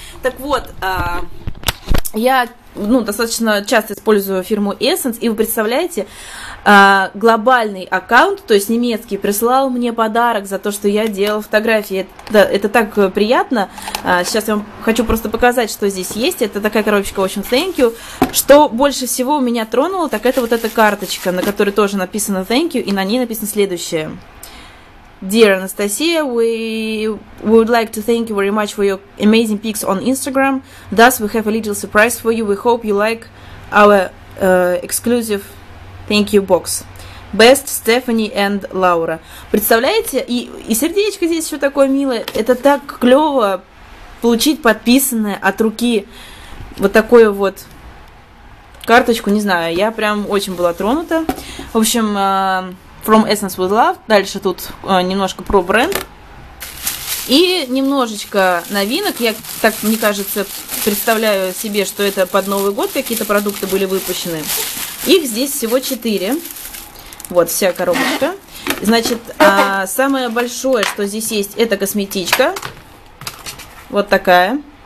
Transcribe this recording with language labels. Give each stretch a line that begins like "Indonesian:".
Russian: Так вот, я, ну, достаточно часто использую фирму Essence, и вы представляете, глобальный аккаунт, то есть немецкий, прислал мне подарок за то, что я делала фотографии. Это так приятно. Сейчас я вам хочу просто показать, что здесь есть. Это такая коробочка, в общем, thank you. Что больше всего меня тронуло, так это вот эта карточка, на которой тоже написано thank you, и на ней написано следующее.
English: Dear Anastasia, we would like to thank you very much for your amazing pics on Instagram. Thus, we have a little surprise for you. We hope you like our exclusive thank you box. Best Stephanie and Laura. Представляете?
Russian: И сердечко здесь еще такое милое. Это так клево получить подписанное от руки вот такое вот карточку. Не знаю, я прям очень была тронута.
English: В общем, From Essence with Love.
Russian: Дальше тут немножко про бренд. И немножечко новинок. Я так, мне кажется, представляю себе, что это под Новый год какие-то продукты были выпущены. Их здесь всего 4. Вот вся коробочка. Значит, самое большое, что здесь есть, это косметичка. Вот такая.